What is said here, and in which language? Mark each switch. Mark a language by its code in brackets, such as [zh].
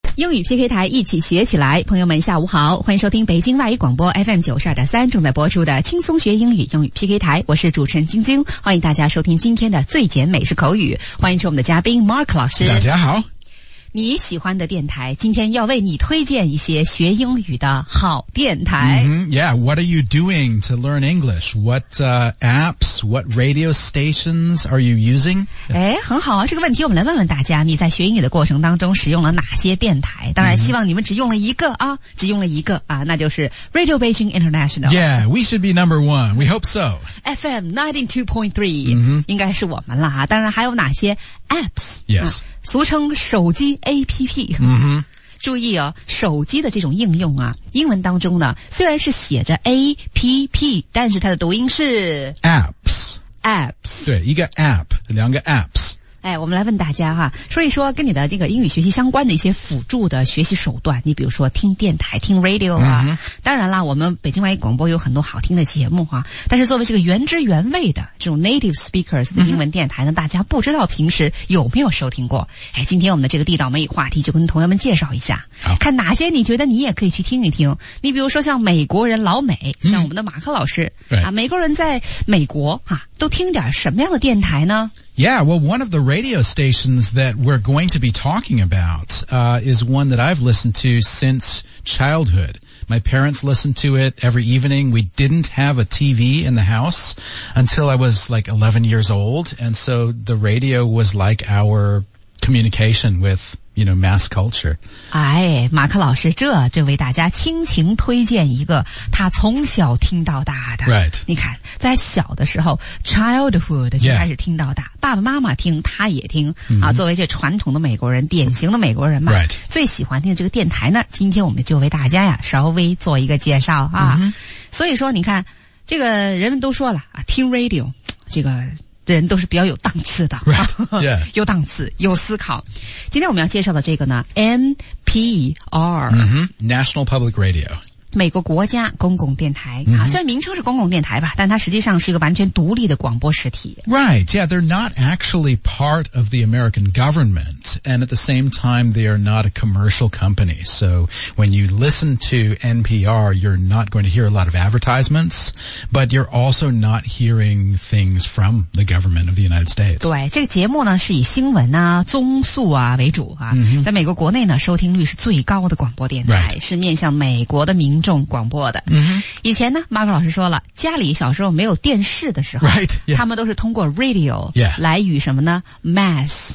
[zh] 英语 PK 台一起学起来，朋友们下午好，欢迎收听北京外语广播 FM92.3 正在播出的轻松学英语英语 PK 台，我是主持人晶晶，欢迎大家收听今天的最简美式口语，欢迎出我们的嘉宾 Mark 老师。大家好。你喜欢的电台今天要为你推荐一些学英语的好电台。 Mm-hmm. [en] Yeah, what are you doing to learn English? What apps, what radio stations are you using? [zh] 诶，很好啊，这个问题我们来问问大家，你在学英语的过程当中使用了哪些电台？当然希望你们只用了一个啊，只用了一个啊，那就是 Radio Beijing International. [en] Yeah, we should be number one. We hope so. [zh] FM 92.3、mm-hmm. 应该是我们了啊，当然还有哪些 apps? [en] Yes.、 [zh] 啊俗称手机 APP、 mm-hmm. 注意哦，手机的这种应用啊，英文当中呢虽然是写着 APP， 但是它的读音是 [en] Apps Apps， [zh] 对，一个 App， 两个 Apps。哎，我们来问大家哈，说一说跟你的这个英语学习相关的一些辅助的学习手段，你比如说听电台，听 Radio 啊、mm-hmm. 当然啦，我们北京外语广播有很多好听的节目啊，但是作为这个原汁原味的这种 native speakers 的英文电台呢，大家不知道平时有没有收听过。哎，今天我们的这个地道美语话题就跟同学们介绍一下，看哪些你觉得你也可以去听一听。你比如说像美国人老美，像我们的马克老师、 mm-hmm. 啊，美国人在美国啊，都听点什么样的电台呢？ [en] Yeah, well, one of the radio stations that we're going to be talking about, is one that I've listened to since childhood. My parents listened to it every evening. We didn't have a TV in the house until I was like 11 years old. And so the radio was like our communication with, you know, mass culture. [zh] 哎，马克老师，这为大家倾情推荐一个他从小听到大的。 [en] Right. [zh] 你看，在小的时候 ,childhood 就开始听到大。 [en] Yeah. [zh] 爸爸妈妈听，他也听、mm-hmm. 啊。作为这传统的美国人，典型的美国人嘛， [en] right. [zh] 最喜欢听的这个电台呢，今天我们就为大家呀稍微做一个介绍啊。 Mm-hmm. 所以说，你看，这个人们都说了啊，听 radio， 这个人都是比较有档次的， [en] right. yeah. [zh] 有档次，有思考。今天我们要介绍的这个呢 ，NPR， [en] National Public Radio。 [zh] 美国国家公共电台、 mm-hmm. 啊，虽然名称是公共电台吧，但它实际上是一个完全独立的广播实体。 [en] Right, yeah, they're not actually part of the American government, and at the same time, they are not a commercial company. So when you listen to NPR, you're not going to hear a lot of advertisements, but you're also not hearing things from the government of the United States. [zh] 对，这个节目呢是以新闻啊、综述啊为主啊， mm-hmm. 在美国国内呢收听率是最高的广播电台， [en] right. [zh] 是面向美国的民。众广播的、 mm-hmm. 以前呢 Mark 老师说了，家里小时候没有电视的时候 [en] right,、yeah. [zh] 他们都是通过 radio、 [en] yeah. [zh] 来与什么呢 mass、